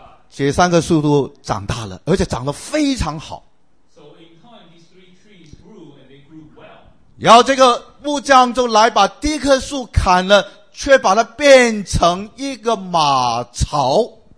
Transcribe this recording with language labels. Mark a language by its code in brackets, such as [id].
[zh] 这三个树都长大了，而且长得非常好。 [en] So in time, these three trees grew and they grew well. [zh] 然后这个木匠就来把第一棵树砍了，却把它变成一个马槽。